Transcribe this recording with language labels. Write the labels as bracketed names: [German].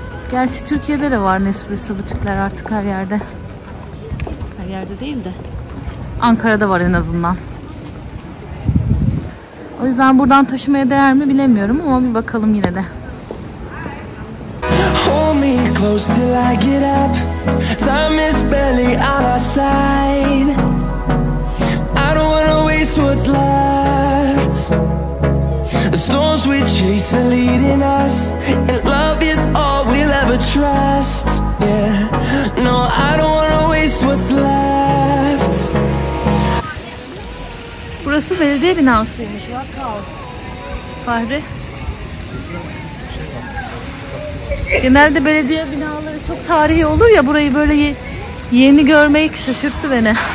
[Turkish] Gerçi Türkiye'de de var Nespresso butikler artık her yerde. Her yerde değil de. Ankara'da var en azından. O yüzden buradan taşımaya değer mi bilemiyorum ama bir bakalım yine de. [English] Hold me close till I get up. Time is barely on our side. I don't wanna waste what's left. The storms we chase are leading us, and love is all we'll ever trust. Yeah, no, I don't wanna waste what's left. [Turkish] Burası belediye binasıymış. Fahri. Genelde belediye binaları çok tarihi olur ya, burayı böyle yeni görmek şaşırttı beni.